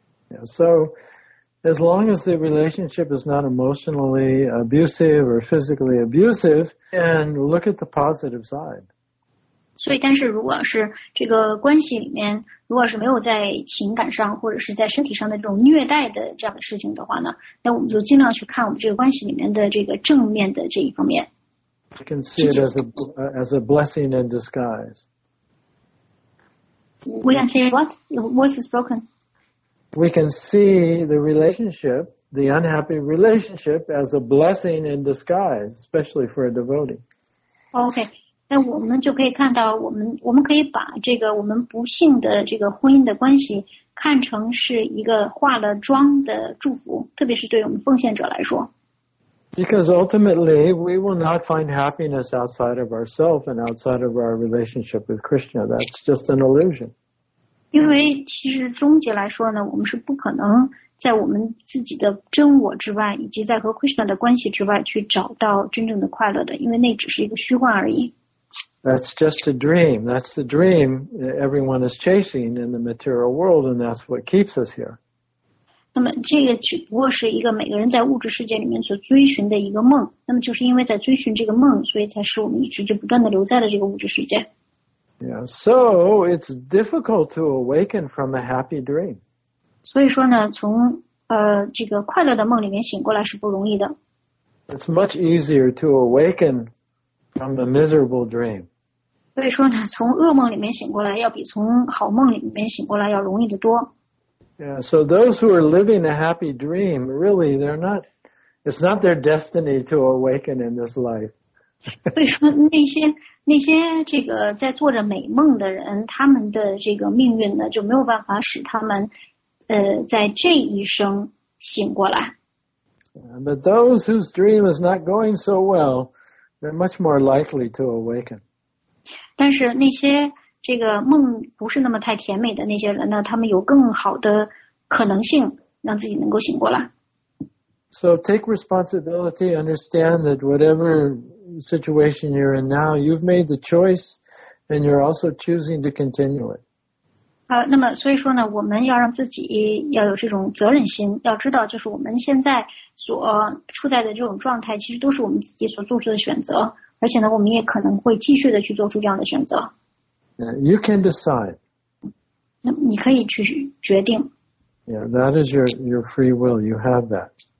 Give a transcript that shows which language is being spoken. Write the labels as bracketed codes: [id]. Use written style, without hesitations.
[en] Yeah, so, as long as the relationship is not emotionally abusive or physically abusive, and look at the positive side. [zh] 所以但是如果是这个关系里面如果是没有在情感上或者是在身体上的这种虐待的这样的事情的话呢那我们就尽量去看我们这个关系里面的这个正面的这一方面。 [en] You can see it as a blessing in disguise. We can see what is broken. We can see the relationship, the unhappy relationship as a blessing in disguise, especially for a devotee. Okay. [zh] 那我们就可以看到我们可以把这个我们不幸的这个婚姻的关系看成是一个化了妆的祝福特别是对我们奉献者来说。 [en] Because ultimately, we will not find happiness outside of ourselves and outside of our relationship with Krishna. That's just an illusion. [zh] 因为其实终极来说呢我们是不可能在我们自己的真我之外以及在和 Krishna 的关系之外去找到真正的快乐的因为那只是一个虚幻而已。 [en] That's just a dream. That's the dream everyone is chasing in the material world, and that's what keeps us here. [zh] 那么这个只不过是一个每个人在物质世界里面所追寻的一个梦。那么就是因为在追寻这个梦，所以才使我们一直就不断的留在了这个物质世界。 [en] Yeah, so it's difficult to awaken from a happy dream. [zh] 所以说呢，从这个快乐的梦里面醒过来是不容易的。 [en] It's much easier to awaken. From the miserable dream. [zh] 所以说呢，从噩梦里面醒过来，要比从好梦里面醒过来要容易得多。 [en] Yeah, so those who are living a happy dream, really, they're not. It's not their destiny to awaken in this life. [zh] 所以说那些这个在做着美梦的人，他们的这个命运呢，就没有办法使他们，在这一生醒过来。 [en] But those whose dream is not going so well. They're much more likely to awaken. [zh] 但是那些这个梦不是那么太甜美的那些人呢，他们有更好的可能性让自己能够醒过来。 [en] So take responsibility. Understand that whatever situation you're in now, you've made the choice, and you're also choosing to continue it. [zh] 那么所以说呢，我们要让自己要有这种责任心，要知道就是我们现在。所处在的这种状态其实都是我们自己所做出的选择而且呢我们也可能会继续的去做出这样的选择 [en] You can decide [zh] 那你可以去决定 [en] Yeah, that is your free will, you have that